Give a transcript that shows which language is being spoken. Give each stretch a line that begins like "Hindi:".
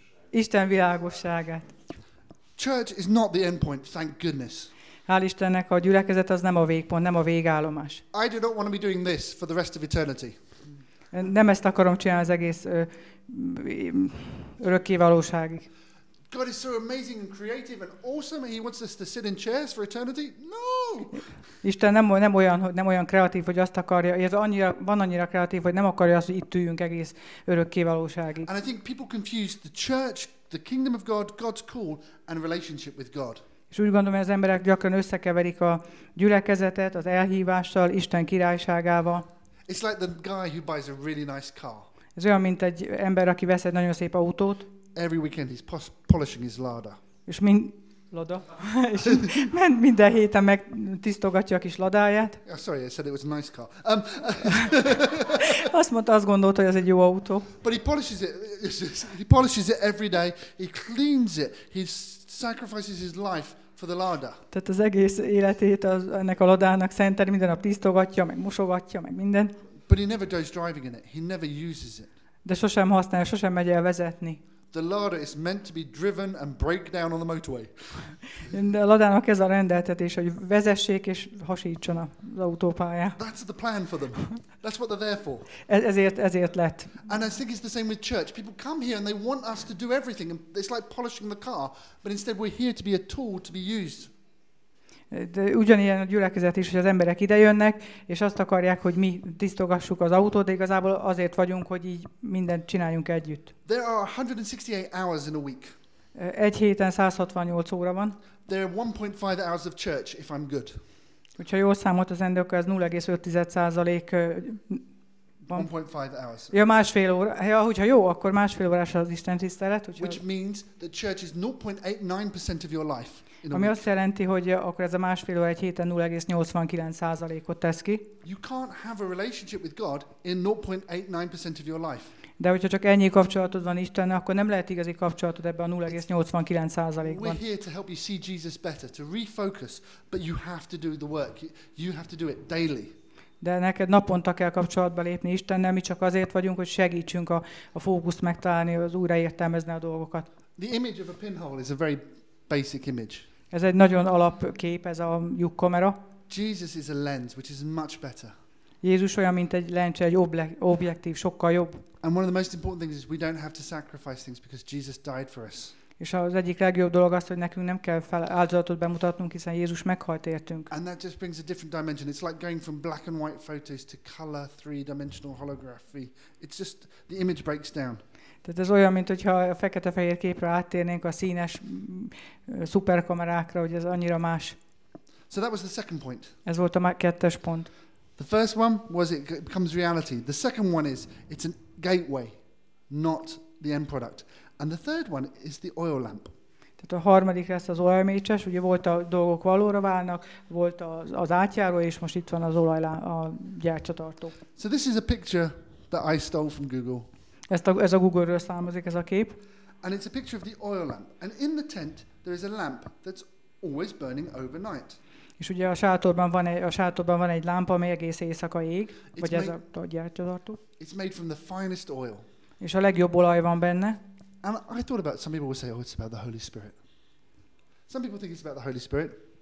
Hungarian: Isten világosságát.
English: Church is not the end point, thank goodness.
Hungarian: Hál' Istennek, a gyülekezet az nem a végpont, nem a végállomás.
English: I do not want to be doing this for the rest of eternity.
Hungarian: Nem ezt akarom csinálni az egész örökké valóságig.
English: God is so amazing and creative and awesome, and He wants us to sit in chairs for eternity? No.
Hungarian: Isten nem olyan kreatív, hogy azt akarja. Ez annyira van annyira kreatív, hogy nem akarja azt, hogy itt üljünk egész örökké valóságig.
English: And I think people confuse the church, the kingdom of God, God's call, and relationship with God.
Hungarian: És úgy gondolom, hogy az emberek gyakran összekeverik a gyülekezetet az elhívással, Isten királyságával.
English: It's like the guy who buys a really nice car.
Hungarian: Ez olyan, mint egy ember, aki vesz egy nagyon szép autót.
English: Every weekend he's polishing his Lada.
Hungarian: És mind Lada. És minden héten meg tisztogatja a kis Ladáját.
English: Oh, sorry, I said it was a nice car.
Hungarian: azt mondta, azt gondolta, hogy ez egy jó autó.
English: But he polishes it every day. He cleans it. He sacrifices his life for the Lada.
Hungarian: Tehát az egész életét az ennek a Ladának szenteli, minden nap tisztogatja, meg mosogatja, meg minden.
English: But he never goes driving in it. He never uses it.
Hungarian: De sosem használja, sosem megy el vezetni.
English: The Lada is meant to be driven and break down on the motorway.
Hungarian: A Ladának ez a rendeltetés, hogy vezessék és hasítson az autópályán.
English: That's the plan for them. That's what they're there for.
Hungarian: Ezért lett.
English: And I think it's the same with church. People come here and they want us to do everything. It's like polishing the car, but instead we're here to be a tool to be used.
Hungarian: De ugyanilyen a gyülekezet is, hogy az emberek ide jönnek, és azt akarják, hogy mi tisztogassuk az autót, de igazából azért vagyunk, hogy így mindent csináljunk együtt.
English: There are 168 hours in a week.
Hungarian: Egy héten 168 óra van.
English: There are 1.5 hours of church, if I'm good.
Hungarian: Hogyha jól számolt az ember, akkor ez 0,5%
English: 1.5 hours.
Hungarian: Ja, másfél óra. Ja, hogyha jó, akkor másfél órás az Isten tisztelet. Hogyha...
English: Which means the church is 0.89% of your life.
Hungarian: Ami azt jelenti, hogy akkor ez a másfél óra egy héten 0,89%-ot tesz ki.
English: You can't have a relationship with God in 0.89% of your life.
Hungarian: De hogyha csak ennyi kapcsolatod van Istennel, akkor nem lehet igazi kapcsolatod ebben a 0,89%-ban.
English: We're here to help you see Jesus better, to refocus, but you have to do the work. You have to do it daily.
Hungarian: De neked naponta kell kapcsolatba lépni Istennel, mi csak azért vagyunk, hogy segítsünk a fókuszt megtalálni, az újraértelmezni a dolgokat.
English: The image of a pinhole is a very basic image.
Hungarian: Ez egy nagyon alapkép, ez a lyukkamera.
English: Jesus is a lens, which is much better.
Hungarian: Jézus olyan, mint egy lencse, egy objektív, sokkal jobb.
English: And one of the most important things is we don't have to sacrifice things because Jesus died for us.
Hungarian: És az egyik legjobb dolog az, hogy nekünk nem kell áldozatot bemutatnunk, hiszen Jézus meghalt értünk.
English: And that just brings a different dimension. It's like going from black and white photos to color, three-dimensional holography. It's just the image breaks down.
Hungarian: Tehát ez olyan, mint hogyha a fekete-fehér képre áttérnénk a színes szuperkamerákra, hogy ez annyira más.
English: So that was the second point.
Hungarian: Ez volt a kettes pont.
English: The first one was it becomes reality. The second one is it's a gateway, not the end product. And the third one is the oil lamp.
Hungarian: Tehát a harmadik lesz az olajmécses, ugye volt a dolgok valóra válnak, volt az átjáró, és most itt van az olajlám, a gyertyatartó.
English: So this is a picture that I stole from Google.
Hungarian: Ez a Google-ről származik, ez a kép.
English: And it's a picture of the oil lamp. And in the tent there is a lamp that's always burning overnight.
Hungarian: És ugye a sátorban van egy lámpa, ami egész éjszaka ég, vagy ez a gyertyatartó.
English: It's made from the finest oil.
Hungarian: És a legjobb olaj van benne.
English: And I thought about some people would say, oh, it's about the Holy Spirit. Some people think it's about the Holy Spirit.